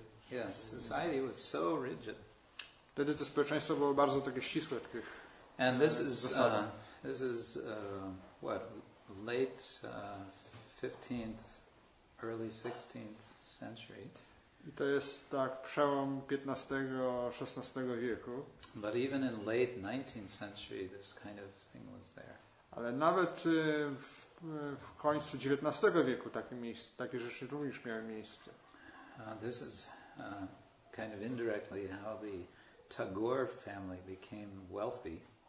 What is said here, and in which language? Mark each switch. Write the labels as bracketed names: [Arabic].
[English] Yeah, society was so rigid. [Polish] Wtedy to społeczeństwo było bardzo takie ścisłe. [English] And this is what, late 15th, early 16th century. [Polish] I to jest tak przełom 15-16 wieku. [English] But even in late 19th century, this kind of thing was there. [Polish] Ale nawet w końcu 19 wieku takie rzeczy również miały miejsce. [English] This is kind of indirectly how the Tagore family became wealthy.